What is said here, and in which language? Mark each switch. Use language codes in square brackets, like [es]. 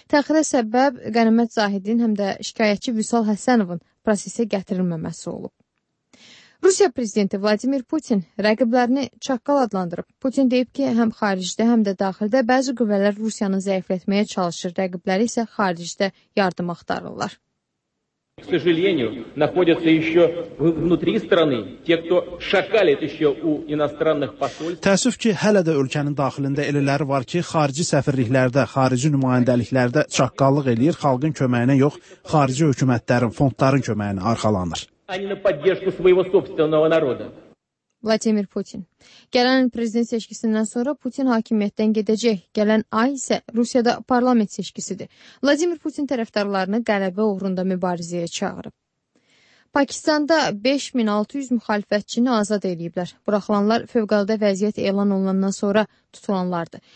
[az] Təxirə səbəb Qənimət Zahidin həm də şikayətçi Vüsal Həsənovun prosesə gətirilməməsi olub. Rusiya prezidenti Vladimir Putin rəqiblərini çaqqal adlandırıb. Putin deyib ki, həm xaricdə, həm də daxildə bəzi qüvvələr Rusiyanı zəiflətməyə çalışır, rəqibləri isə xaricdə yardım axtarırlar. [ru] К сожалению, находятся еще внутри страны те, кто шакалит еще у иностранных посольств. [az] Təəssüf ki, hələ də ölkənin daxilində elələri var ki, xarici səfirliklərdə, xarici nümayəndəliklərdə çaqqallıq eləyir, xalqın köməyinə yox, xarici hökumətlərin, fondların köməyinə arxalanır. [ru] Они на поддержку своего собственного народа. Владимир Путин. [az] Gələn prezident seçkisindən sonra Putin hakimiyyətdən gedəcək. Gələn ay isə Rusiyada parlament seçkisidir. Vladimir Putin tərəfdarlarını qələbə uğrunda mübarizəyə çağırıb. Pakistanda 5600 müxalifətçini azad ediblər. Buraxılanlar fövqəladə vəziyyət elan olunandan sonra tutulanlardır.